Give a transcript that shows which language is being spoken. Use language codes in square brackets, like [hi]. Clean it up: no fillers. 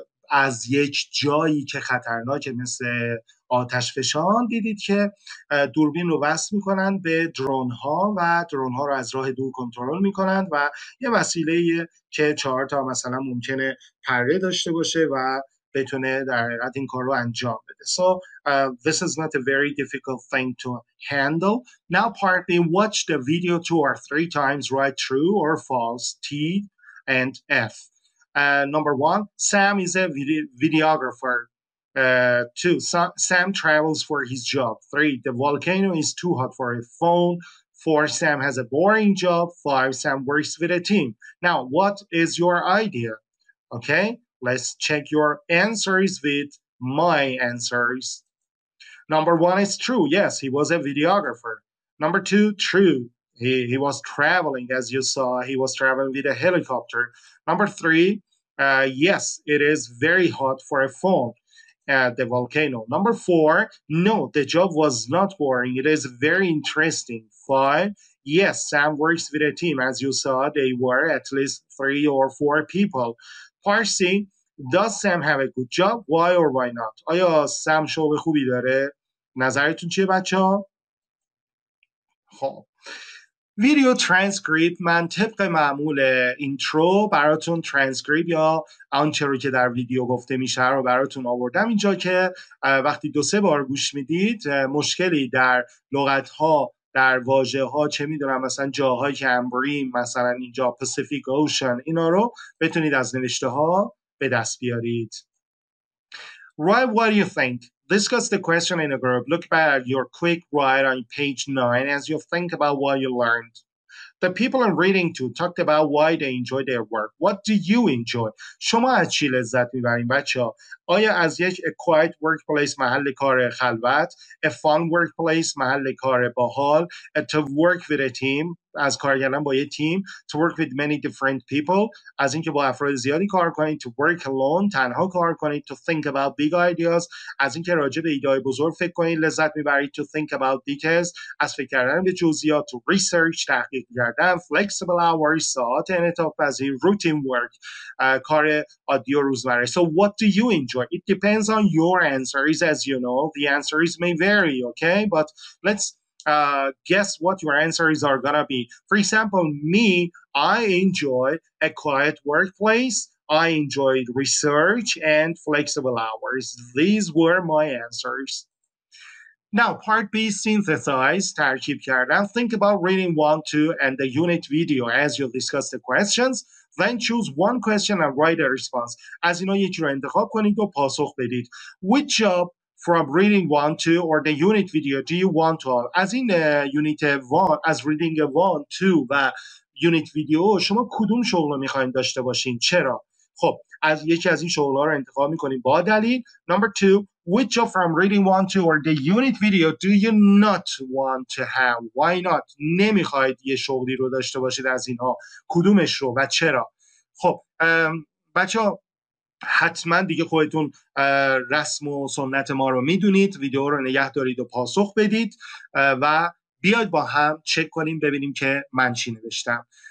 [fa] از یک جایی که خطرناکه مثل آتش فشان، دیدید که دوربین رو وصل میکنن به درون ها و درون ها رو از راه دور کنترل میکنن و یه وسیله که 4 تا مثلا ممکنه پره داشته باشه و بتونه در حقیقت این کار رو انجام بده. [en] So this is not a very difficult thing to handle. Now part B, watch the video 2 or 3 times, write true or false, T and F. Number 1, Sam is a videographer. 2, Sam travels for his job. 3, the volcano is too hot for a phone. 4, Sam has a boring job. 5, Sam works with a team. Now, what is your idea? Okay, let's check your answers with my answers. Number 1 is true. Yes, he was a videographer. Number 2, true. He was traveling, as you saw. He was traveling with a helicopter. Number 3, yes, it is very hot for a phone. The volcano. Number 4, no, the job was not boring. It is very interesting. 5, yes, Sam works with a team. As you saw, they were at least 3 or 4 people. Parsi, does Sam have a good job? Why or why not? [fa] آیا سام شغل خوبی داره؟ نظرتون چیه بچه ها؟ خب. ویدیو ترانسکریپت، من طبق معمول اینترو براتون ترانسکریپت یا آنچه رو که در ویدیو گفته میشه رو براتون آوردم اینجا که وقتی 2-3 بار گوش میدید مشکلی در لغت‌ها، در واژه‌ها، چه میدونم مثلا جاهایی که امبریم مثلا اینجا پاسیفیک اوشن، اینا رو بتونید از نوشته ها به دست بیارید. [en] Right, what do you think? Discuss the question in a group. Look back your quick write on page 9 as you think about what you learned. The people I'm reading to talked about why they enjoy their work. What do you enjoy? [fa] شما از چی لذت میبرین بچه ها؟ آیا از یک [en] quiet workplace [fa] محل کار خلوت؟ [en] A fun workplace [fa] محل کار باحال؟ [en] To work with a team [fa] از کار کردن با یه تیم؟ [en] To work with many different people [fa] از اینکه با افراد زیادی کار کنید؟ [en] To work alone [fa] تنها کار کنید؟ [en] To think about big ideas [fa] از اینکه راجع به ایده‌های بزرگ فکر کنید لذت میبرید؟ [en] To think about details [fa] از فکر کردن به جزئیات؟ [en] To research [fa] تحقیق کردن؟ [en] Flexible hours [fa] ساعت انعطاف پذیر؟ [en] Routine work [fa] کار عادی و روزمره؟ [en] So what do you enjoy? It depends on your answers. As you know, the answers may vary, okay? But let's guess what your answers are gonna be. For example, me, I enjoy a quiet workplace. I enjoy research and flexible hours. These were my answers. Now, part B, synthesize. [fa] ترکیب کردن. [en] Think about reading 1-2 and the unit video as you discuss the questions. Then choose one question and write a response. [fa] از اینا یکی رو انتخاب کنید و پاسخ بدید. [en] Which job from reading 1-2 or the unit video, do you want to? As in unit 1, as reading 1-2 [fa] و unit video, شما کدوم شغل رو میخواین داشته باشین؟ چرا؟ خب، از یکی از این شغل‌ها رو انتخاب میکنین با دلیل. [en] Number 2, which of from reading 1-2 or the unit video do you not want to have? Why not? [fa] نمیخواید یه شغلی رو داشته باشید از اینها؟ کدومش رو و چرا؟ خب، بچه‌ها حتما دیگه خودتون رسم و سنت ما رو میدونید، ویدیو رو نگه دارید و پاسخ بدید و بیاید با هم چک کنیم ببینیم که من چی نوشتم.